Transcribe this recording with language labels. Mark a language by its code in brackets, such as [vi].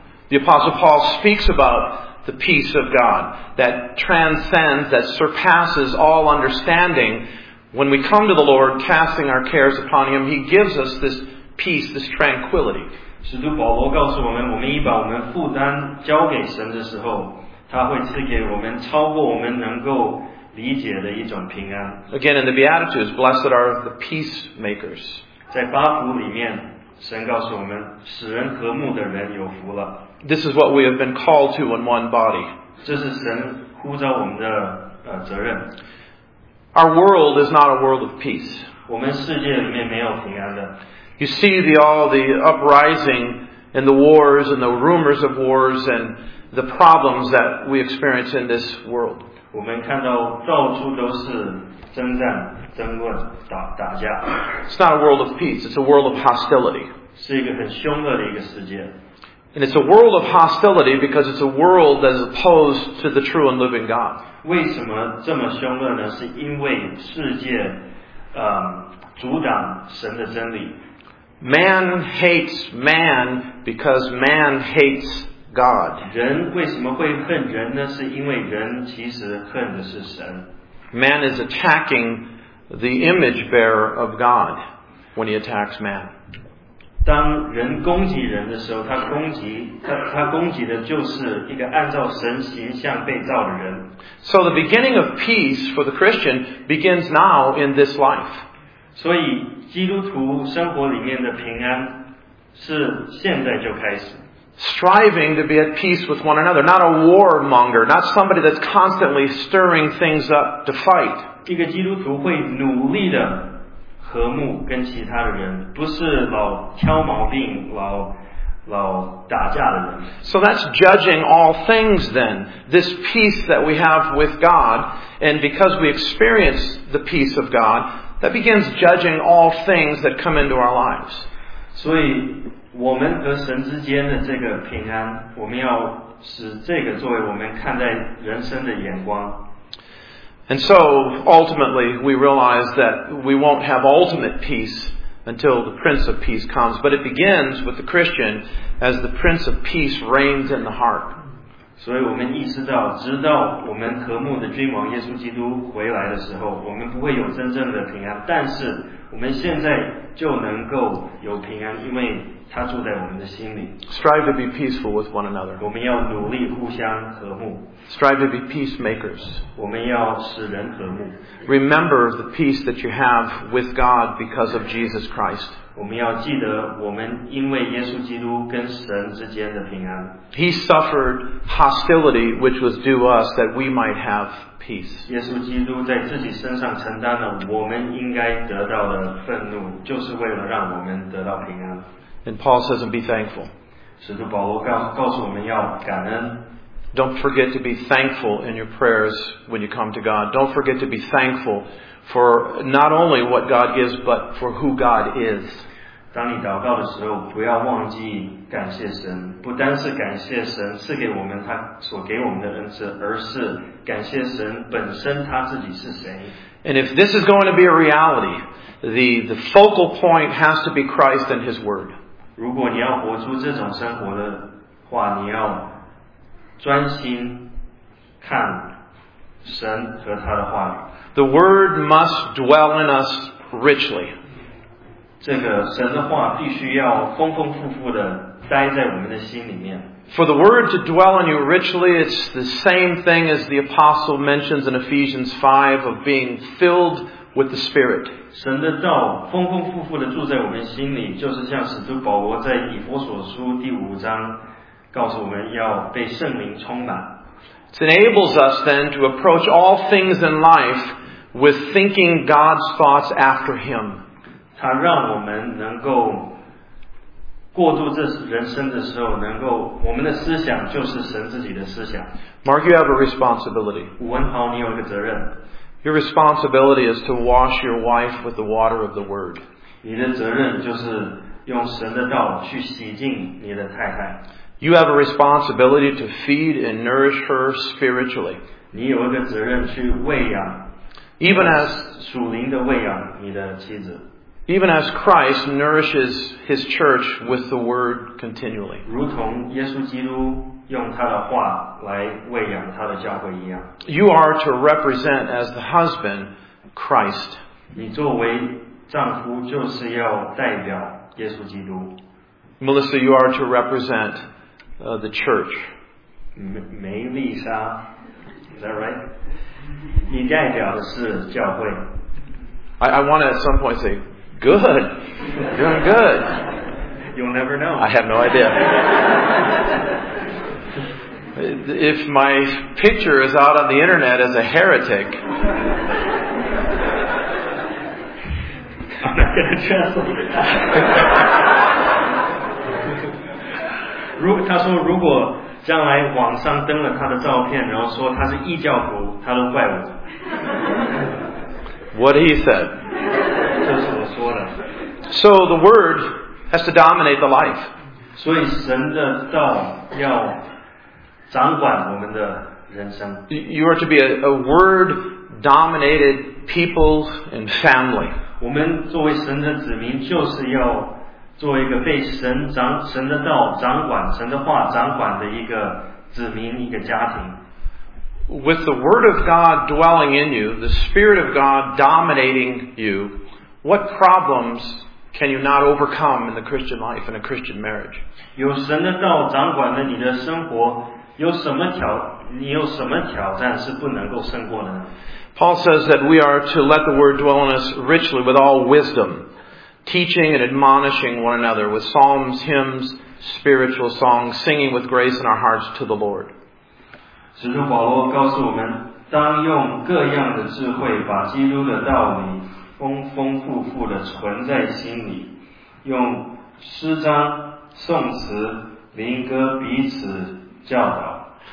[en] The Apostle Paul speaks about the peace of God that transcends, that surpasses all understanding. When we come to the Lord, casting our cares upon Him, He gives us this peace, this tranquility. [zh] 使徒保罗告诉我们，我们一把我们负担交给神的时候，他会赐给我们超过我们能够理解的一种平安。 [en] Again, in the Beatitudes, blessed are the peacemakers. [zh] 在八福里面，神告诉我们，使人和睦的人有福了。 [en] This is what we have been called to in one body. [zh] 这是神呼召我们的责任。 [en] Our world is not a world of peace. [zh] 我们世界里面没有平安的。 [en] You see all the uprising and the wars and the rumors of wars and the problems that we experience in this world. [zh] 我们看到到处都是征战。 [en] It's not a world of peace. It's a world of hostility. [zh] 是一个很凶恶的一个世界。 [en] And it's a world of hostility because it's a world that is opposed to the true and living God. [zh] 为什么这么凶恶呢？是因为世界，阻挡神的真理。 [en] Man hates man because man hates God. [zh] 人为什么会恨人呢？是因为人其实恨的是神。 [en] Man is attacking the image bearer of God when he attacks man. [zh] 当人攻击人的时候，他攻击的就是一个按照神形象被造的人。 [en] So the beginning of peace for the Christian begins now in this life. [zh] 所以基督徒生活里面的平安是现在就开始。 [en] Striving to be at peace with one another, not a warmonger, not somebody that's constantly stirring things up to fight. [zh] 一个基督徒会努力的和睦跟其他的人，不是老挑毛病、老打架的人。 [en] So that's judging all things then, this peace that we have with God, and because we experience the peace of God, that begins judging all things that come into our lives. [zh] 所以我们和神之间的这个平安，我们要使这个作为我们看待人生的眼光。 [en] And so, ultimately, we realize that we won't have ultimate peace until the Prince of Peace comes. But it begins with the Christian as the Prince of Peace reigns in the heart. [zh] 所以我们意识到，直到我们和睦的君王耶稣基督回来的时候，我们不会有真正的平安。但是我们现在就能够有平安，因为他住在我们的心里。 [en] Strive to be peaceful with one another. [zh] 我们要努力互相和睦。 [en] Strive to be peacemakers. [zh] 我们要使人和睦。 [en] Remember the peace that you have with God because of Jesus Christ. [zh] 我们要记得我们因为耶稣基督跟神之间的平安。 [en] He suffered hostility which was due us that we might have peace. [zh] 耶稣基督在自己身上承担了我们应该得到的愤怒，就是为了让我们得到平安。 [en] And Paul says, and be thankful. [zh] 使徒保罗告诉我们要感恩。 [en] Don't forget to be thankful in your prayers when you come to God. Don't forget to be thankful for not only what God gives, but for who God is. [zh] 当你祷告的时候，不要忘记感谢神，不单是感谢神赐给我们他所给我们的恩赐，而是感谢神本身他自己是谁。 [en] And if this is going to be a reality, the focal point has to be Christ and His Word. [zh] 如果你要活出这种生活的话，你要专心看神和他的话语。 [en] The Word must dwell in us richly. [zh] 这个神的话必须要丰丰富富的待在我们的心里面。 [en] For the Word to dwell in you richly, it's the same thing as the Apostle mentions in Ephesians 5 of being filled with the Spirit. [zh] 神的道丰丰富富地住在我们心里，就是像使徒保罗在以弗所书第五章告诉我们要被圣灵充满。 [en] It enables us then to approach all things in life with thinking God's thoughts after Him. [zh] 它让我们能够过度这人生的时候，能够我们的思想就是神自己的思想。 [en] Mark, you have a responsibility. [zh] 吴文豪，你有一个责任。 [en] Your responsibility is to wash your wife with the water of the Word. [zh] 你的责任就是用神的道去洗净你的太太。 [en] You have a responsibility to feed and nourish her spiritually. [zh] 你有一个责任去喂养。 [en] Even as [zh] 属灵的喂养你的妻子。 [en] Even as Christ nourishes His church with the Word continually. [zh] 如同耶稣基督用他的话来喂养他的教会一样。 [en] You are to represent as the husband Christ. [zh] 你作为丈夫就是要代表耶稣基督。 [en] Melissa, you are to represent the church. 梅丽莎, is that right? [zh] 你代表的是教会。 [en] I want to at some point say, good, doing good. You'll never know. I have no idea. If my picture is out on the internet as a heretic, I'm not going to translate it. [zh] 他说如果将来网上登了他的照片，然后说他是异教徒，他都怪我。 [en] What he said. [zh] 这是我说的。 [en] So the word has to dominate the life. [zh] 所以神的道要掌管我们的人生。 [en] You are to be a word-dominated people and family. [zh] 我们作为神的子民，就是要做一个被神的道掌管、神的话掌管的一个子民、一个家庭。 [en] With the Word of God dwelling in you, the Spirit of God dominating you, what problems can you not overcome in the Christian life, in a Christian marriage? [zh] 有神的道掌管了你的生活，你有什么挑战是不能够胜过的呢？ [en] Paul says that we are to let the Word dwell in us richly with all wisdom, teaching and admonishing one another with psalms, hymns, spiritual songs, singing with grace in our hearts to the Lord. [zh] 使徒保罗告诉我们，当用各样的智慧把基督的道理丰丰富富地存在心里，用诗章、颂词、灵歌彼此教导。